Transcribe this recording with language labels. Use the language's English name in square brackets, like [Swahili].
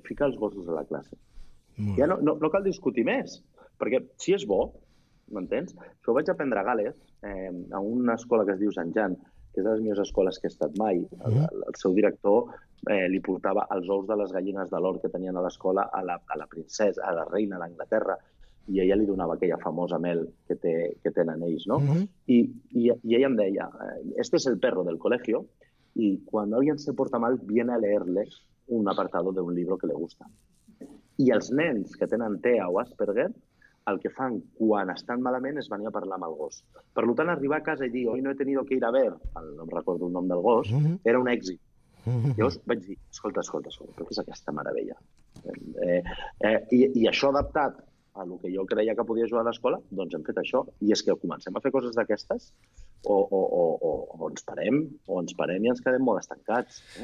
[Catalan] Ficar els gossos a la classe. Ja no cal discutir més, perquè si és bo, m'entens? Això ho vaig aprendre a Gales, a una escola que es diu Sant Jan, que és de les millors escoles que he estat mai. El seu director li portava els ous de les gallines de l'or que tenien a l'escola a la princesa, a la reina d'Anglaterra, i ella li donava aquella famosa mel que tenen ells, no? I ella em deia, [Spanish] este es el perro del colegio, y cuando alguien se porta mal, viene a leerle un apartado de un libro que le gusta. [Catalan] I els nens que tenen TEA o Asperger, el que fan quan estan malament és venir a parlar amb el gos. Per tant, arribar a casa i dir, [Spanish] hoy no he tenido que ir a ver, [Catalan] no em recordo el nom del gos, era un èxit. Llavors vaig dir, escolta, què és aquesta meravella? I això adaptat a el que jo creia que podia jugar a l'escola, doncs hem fet això, i és que comencem a fer coses d'aquestes, o ens parem i ens quedem molt estancats.